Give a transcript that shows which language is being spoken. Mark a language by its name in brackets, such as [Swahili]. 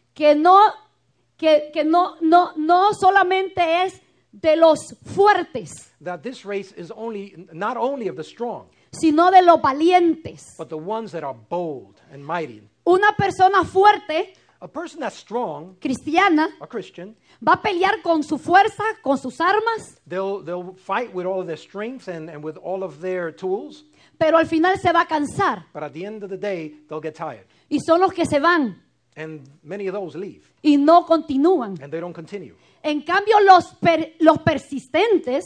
[Spanish] que no solamente es de los fuertes, [English] that this race is only not only of the strong, [Spanish] sino de los valientes, [English] but the ones that are bold and mighty. [Spanish] Una persona fuerte, [English] a person that's strong, [Spanish] cristiana, [English] a Christian, [Spanish] va a pelear con su fuerza, con sus armas, [English] they'll fight with all of their strengths and with all of their tools, [Spanish] pero al final se va a cansar, [English] but at the end of the day they'll get tired, [Spanish] y son los que se van, [English] and many of those leave, [Spanish] y no continúan, [English] and they don't continue. [Spanish] En cambio, los persistentes,